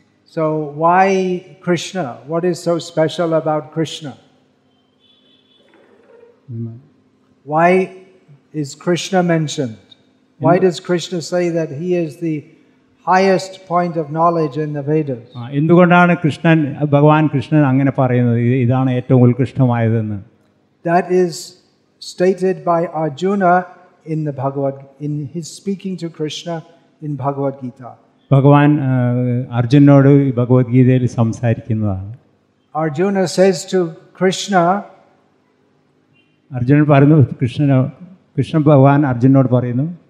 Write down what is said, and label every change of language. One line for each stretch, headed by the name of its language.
English: So why Krishna what is so special about Krishna Why is Krishna mentioned Why does Krishna say that he is the highest point of knowledge in the Vedas.
Malayalam: എന്തുകൊണ്ടാണ് കൃഷ്ണൻ ഭഗവാൻ കൃഷ്ണൻ അങ്ങനെ പറയുന്നത് ഇതാണ് ഏറ്റവും ഉൽകൃഷ്ടമായതെന്ന്.
English: That is stated by Arjuna in his speaking to Krishna in Bhagavad Gita.
Malayalam: ഭഗവാൻ അർജുനോട് ഭഗവത്ഗീതയിൽ സംസാരിക്കുന്നതാണ്.
English: Arjuna says to Krishna
Malayalam: Arjunan പറയുന്നു കൃഷ്ണൻ ഭഗവാൻ അർജുനോട് പറയുന്നു